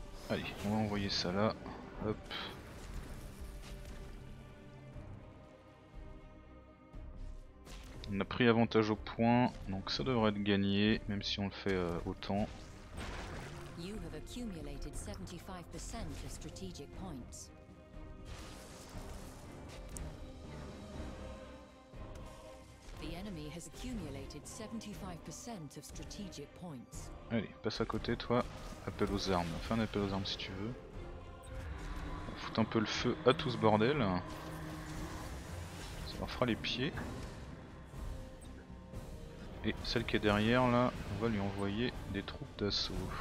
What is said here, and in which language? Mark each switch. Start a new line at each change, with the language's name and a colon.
French: Allez, on va envoyer ça là. Hop. On a pris avantage au point, donc ça devrait être gagné, même si on le fait autant.
English: You have accumulated 75% of strategic points. The enemy has accumulated 75% of strategic points.
French: Allez, passe à côté toi, appelle aux armes, fais un appel aux armes si tu veux. Fout un peu le feu à tout ce bordel. Ça leur fera les pieds. Et celle qui est derrière là, on va lui envoyer des troupes d'assaut.